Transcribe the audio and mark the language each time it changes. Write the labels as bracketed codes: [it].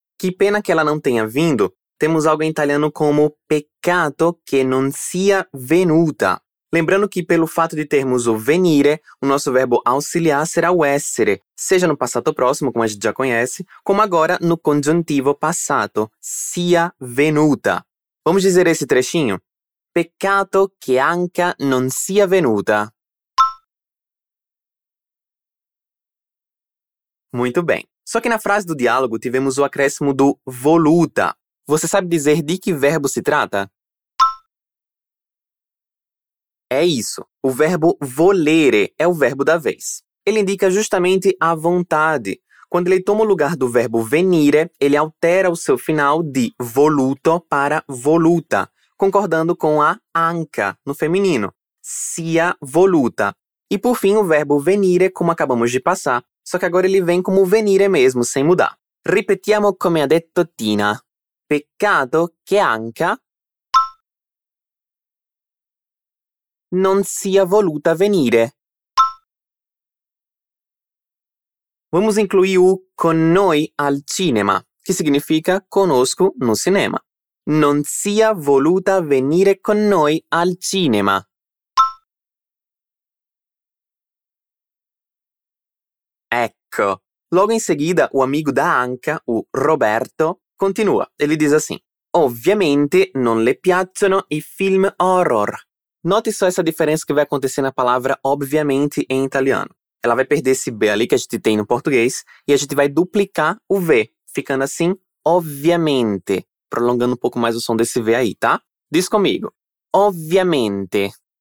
[pt] Que pena que ela não tenha vindo, temos algo em italiano como [it] peccato che non sia venuta. [pt] Lembrando que pelo fato de termos o venire, o nosso verbo auxiliar será o essere, seja no passato próximo, como a gente já conhece, como agora no congiuntivo passato, sia venuta. Vamos dizer esse trechinho? [it] Peccato che Anka non sia venuta. [pt] Muito bem. Só que na frase do diálogo tivemos o acréscimo do voluta. Você sabe dizer de que verbo se trata? É isso. O verbo volere é o verbo da vez. Ele indica justamente a vontade. Quando ele toma o lugar do verbo venire, ele altera o seu final de voluto para voluta, concordando com a Anka, no feminino, sia voluta. E por fim, o verbo venire, como acabamos de passar, só que agora ele vem como venire mesmo, sem mudar. [it] Ripetiamo come ha detto Tina. Peccato che Anka non sia voluta venire. [pt] Vamos incluir o [it] con noi al cinema, [pt] que significa conosco no cinema. [it] Non sia voluta venire con noi al cinema. Ecco. [pt] Logo em seguida, o amigo da Anca, o Roberto, continua. Ele diz assim. [it] Ovviamente non le piacciono i film horror. [pt] Note só essa diferença que vai acontecer na palavra obviamente em italiano. Ela vai perder esse B ali que a gente tem no português e a gente vai duplicar o V, ficando assim, ovviamente, prolongando um pouco mais o som desse V aí, tá? Diz comigo, ovviamente.